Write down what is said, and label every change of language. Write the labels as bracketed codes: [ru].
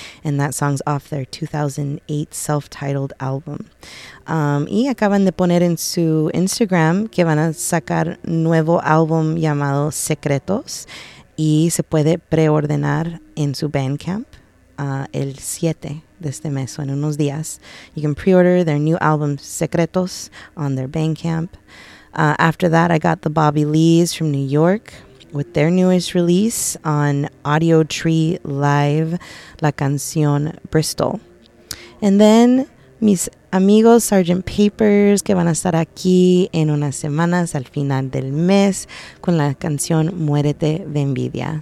[en] And that song's off their 2008 self-titled album. [es] Y acaban de poner en su Instagram que van a sacar nuevo álbum llamado Secretos. Y se puede preordenar en su Bandcamp el 7 de este mes, o en unos días. [en] You can pre-order their new album, Secretos, on their Bandcamp. After that, I got the Bobby Lees from New York with their newest release on Audio Tree Live, La Canción Bristol. And then, [es] mis amigos Sergeant Papers, que van a estar aquí en unas semanas al final del mes con la canción Muérete de Envidia.